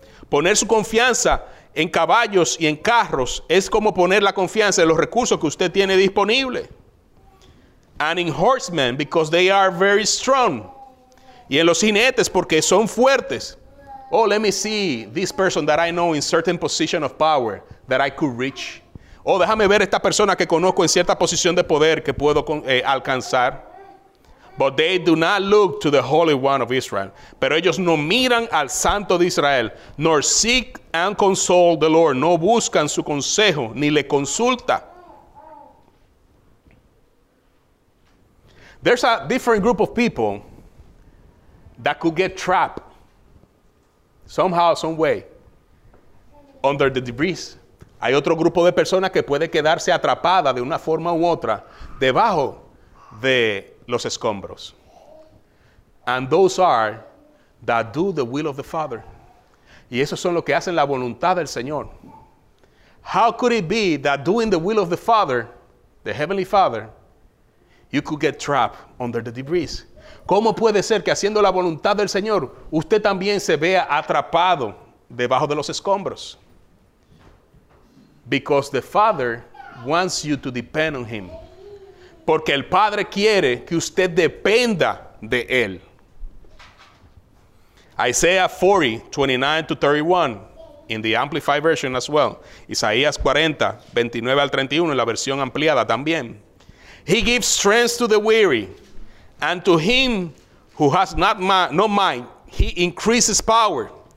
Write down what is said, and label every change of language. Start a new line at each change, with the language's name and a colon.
Spanish: Poner su confianza en caballos y en carros es como poner la confianza en los recursos que usted tiene disponible.
English: And in horsemen, because they are very strong.
Spanish: Y en los jinetes, porque son fuertes.
English: Oh, let me see this person that I know in certain position of power that I could reach.
Spanish: Oh, déjame ver esta persona que conozco en cierta posición de poder que puedo alcanzar.
English: But they do not look to the Holy One of Israel.
Spanish: Pero ellos no miran al Santo de Israel,
English: nor seek and console the Lord.
Spanish: No buscan su consejo, ni le consulta.
English: There's a different group of people that could get trapped somehow, some way, under the debris.
Spanish: Hay otro grupo de personas que puede quedarse atrapada de una forma u otra debajo de los escombros.
English: And those are that do the will of the Father.
Spanish: Y esos son los que hacen la voluntad del Señor.
English: How could it be that doing the will of the Father, the Heavenly Father, you could get trapped under the debris?
Spanish: ¿Cómo puede ser que haciendo la voluntad del Señor, usted también se vea atrapado debajo de los escombros?
English: Because the Father wants you to depend on Him.
Spanish: Porque el Padre quiere que usted dependa de Él.
English: Isaiah 40, 29 to 31, in the Amplified Version as well.
Spanish: Isaías 40, 29 al 31, en la versión ampliada también.
English: He gives strength to the weary, and to him who has no mind, he increases power.